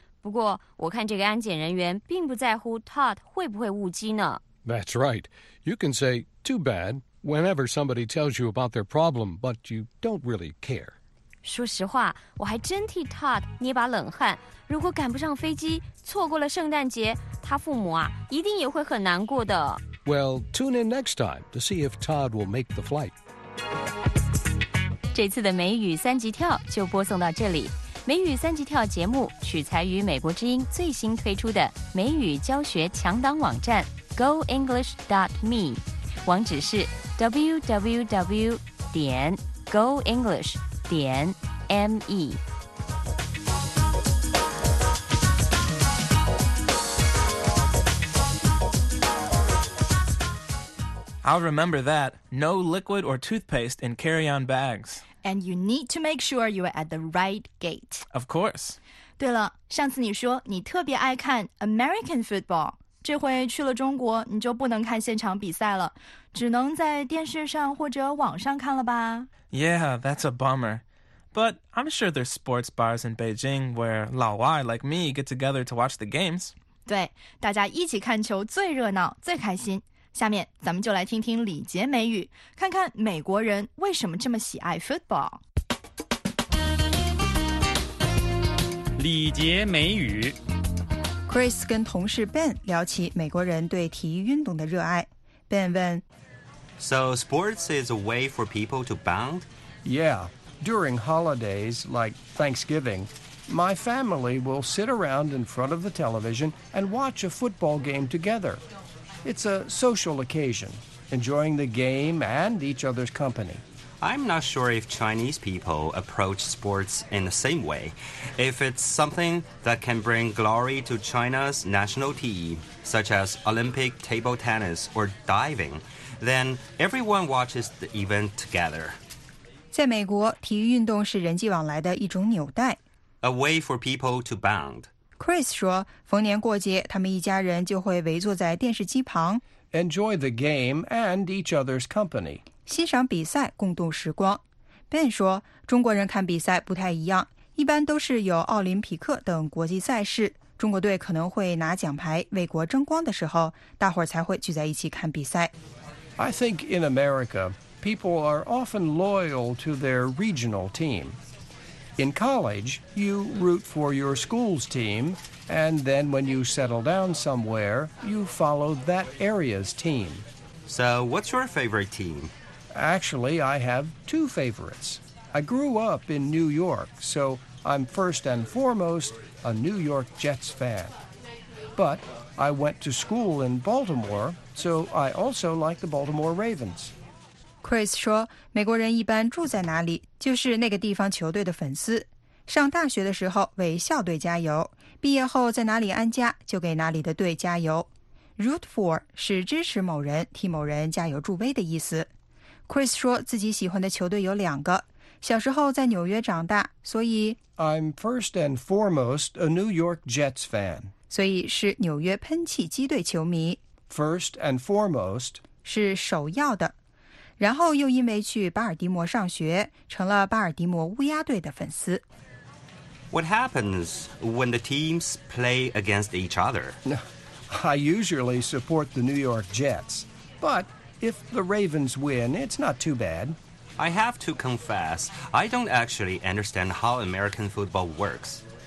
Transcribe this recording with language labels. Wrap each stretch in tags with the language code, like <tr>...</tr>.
<zh>不过，我看这个安检人员并不在乎 Todd 会不会误机呢。</zh> <en>That's right. You can say, too bad, whenever somebody tells you about their problem, but you don't really care.</en> <zh>说实话，我还真替 Todd 捏把冷汗。如果赶不上飞机，错过了圣诞节，他父母啊，一定也会很难过的。</zh> <en>Well, tune in next time to see if Todd will make the flight.</en> <zh>这次的美语三级跳就播送到这里。美语三级跳节目取材于美国之音最新推出的美语教学强档网站 goenglish.me， 网址是 www.goenglish.me。</zh> <en>I'll remember that. No liquid or toothpaste in carry-on bags. And you need to make sure you are at the right gate. Of course.</en> <zh>对了，上次你说你特别爱看 American football. 这回去了中国，你就不能看现场比赛了，只能在电视上或者网上看了吧？</zh> <en>Yeah, that's a bummer. But I'm sure there's sports bars in Beijing where 老外 like me get together to watch the games.</en> <zh>对，大家一起看球最热闹，最开心。下面咱们就来听听李杰美语，看看美国人为什么这么喜爱 football。李杰美语，Chris 跟同事 Ben 聊起美国人对体育运动的热爱。Ben 问</zh> <en>：“So sports is a way for people to bond? Yeah, during holidays like Thanksgiving, my family will sit around in front of the television and watch a football game together.” It's a social occasion, enjoying the game and each other's company. I'm not sure if Chinese people approach sports in the same way. If it's something that can bring glory to China's national team, such as Olympic table tennis or diving, then everyone watches the event together.</en> <zh>在美国，体育运动是人际往来的一种纽带。</zh> <en>A way for people to bond.</en> <zh>Chris 说，逢年过节，他们一家人就会围坐在电视机旁</zh> <en>，enjoy the game and each other's company，</en> <zh>欣赏比赛，共度时光。 Ben 说，中国人看比赛不太一样，一般都是有奥林匹克等国际赛事，中国队可能会拿奖牌为国争光的时候，大伙儿才会聚在一起看比赛。</zh> <en>I think in America, people are often loyal to their regional team. In college, you root for your school's team, and then when you settle down somewhere, you follow that area's team. So, what's your favorite team? Actually, I have two favorites. I grew up in New York, so I'm first and foremost a New York Jets fan. But I went to school in Baltimore, so I also like the Baltimore Ravens.</en> <zh>Chris 说，美国人一般住在哪里，就是那个地方球队的粉丝。上大学的时候为校队加油，毕业后在哪里安家，就给哪里的队加油。</zh> <en>Root for</en> <zh>是支持某人，替某人加油助威的意思。Chris 说自己喜欢的球队有两个，小时候在纽约长大，所以</zh> <en>I'm first and foremost a New York Jets fan.</en> <zh>所以是纽约喷气机队球迷。</zh> <en>First and foremost</en> <zh>是首要的，然后又因为去巴尔的摩上学，成了巴尔的摩乌鸦队的粉丝。</zh> <en>What happens when the teams play against each other? I usually support the New York Jets, but if the Ravens win, it's not too bad. I have to confess, I don't actually understand how American football works.</en>